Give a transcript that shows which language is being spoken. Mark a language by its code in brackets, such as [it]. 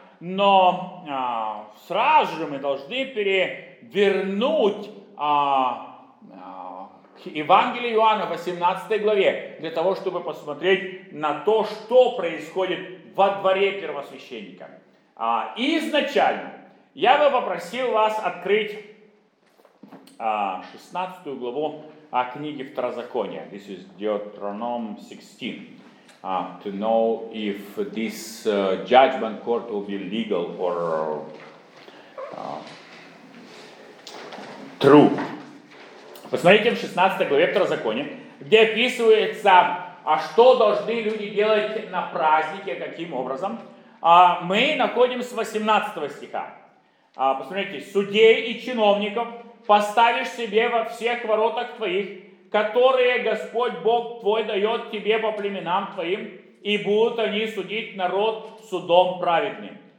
[ru] Но сразу же мы должны перевернуть к Евангелию Иоанна, 18 главе, для того, чтобы посмотреть на то, что происходит во дворе первосвященника. Изначально я бы попросил вас открыть 16 главу книги Второзакония. [en] This is Deuteronomy 16. To know if this judgment court will be legal or true. [ru] Посмотрите в 16 главе Второзакония, где описывается, что должны люди делать на празднике, каким образом. Мы находим с 18 стиха. Посмотрите: «Судей и чиновников поставишь себе во всех воротах твоих, которые Господь Бог твой дает тебе по племенам твоим, и будут они судить народ судом праведным.